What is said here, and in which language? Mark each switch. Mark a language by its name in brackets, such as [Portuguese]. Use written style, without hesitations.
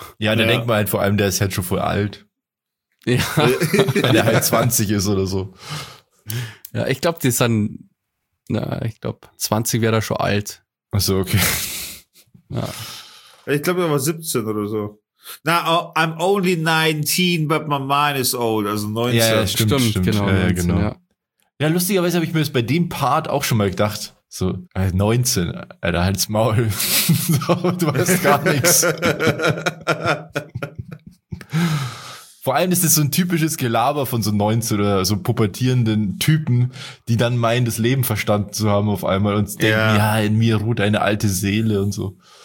[German] Ja, dann denkt man halt vor allem, der ist halt schon voll alt. Ja. Wenn er halt 20 ist oder so. Ja, ich glaube, die ist dann, na, ich glaube, 20 wäre da schon alt. Ach so, okay. Ja. Ich glaube, er war 17 oder so. [English] Na, I'm only 19, but my mind is old, also 19. [German] Ja, stimmt. Genau. Ja, lustigerweise habe ich mir das bei dem Part auch schon mal gedacht, so, 19, Alter, halt's Maul, du weißt gar nichts. Vor allem ist das so ein typisches Gelaber von so 19 oder so pubertierenden Typen, die dann meinen, das Leben verstanden zu haben auf einmal und denken, ja, in mir ruht eine alte Seele und so.